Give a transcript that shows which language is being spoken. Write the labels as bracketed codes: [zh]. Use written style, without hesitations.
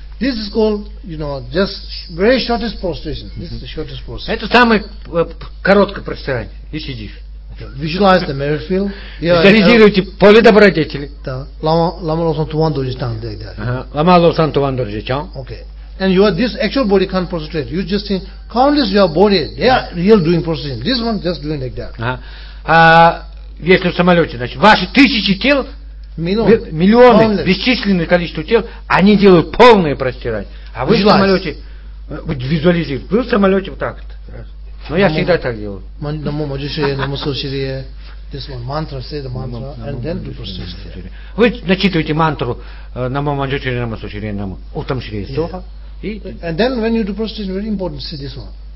[en] This is called, you know, just very shortest prostration. This is the shortest prostration. [ru] Это самое короткое простирание, и сидишь. [en] Visualize the merit field. [ru] Визуализируйте поле добродетели. Да. Лама Лосан Туван Доджи Чан. Лама Лосан Туван Доджи Чан. [en] Okay. And your this actual body can't prostrate. You just think countless your body. They are real doing prostration. This one just doing like that. [ru] Если в самолете, значит, ваши тысячи тел, миллионы, бесчисленное количество тел, они делают полное простирание. А вы в самолете, визуализируете. Вы в самолете вот так. Но я всегда так делаю. [sa] Намо Маджишрия, Намо Сусирия. [en] This one, mantra, say the mantra, and then do prostration. [ru] Вы начитываете мантру [sa] Намо Маджишрия, Намо Сусирия, Намо Утам Шрия Соха. [en] And then when you do prostration, very important, say this one.